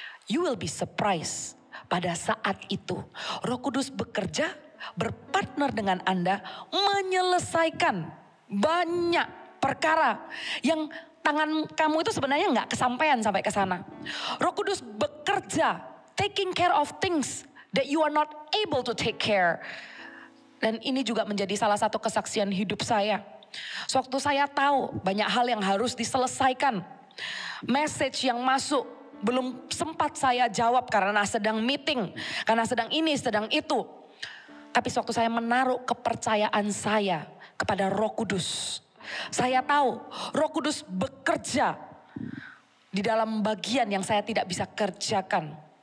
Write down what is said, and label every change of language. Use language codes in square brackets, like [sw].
[en] You will be surprised [id] pada saat itu. Roh Kudus bekerja, berpartner dengan Anda, menyelesaikan banyak perkara yang tangan kamu itu sebenarnya enggak kesampaian sampai ke sana. Roh Kudus bekerja, [en] taking care of things that you are not able to take care. [id] Dan ini juga menjadi salah satu kesaksian hidup saya. Sewaktu saya tahu banyak hal yang harus diselesaikan, message yang masuk belum sempat saya jawab karena sedang meeting, karena sedang ini, sedang itu. Tapi sewaktu saya menaruh kepercayaan saya kepada Roh Kudus, saya tahu Roh Kudus bekerja di dalam bagian yang saya tidak bisa kerjakan.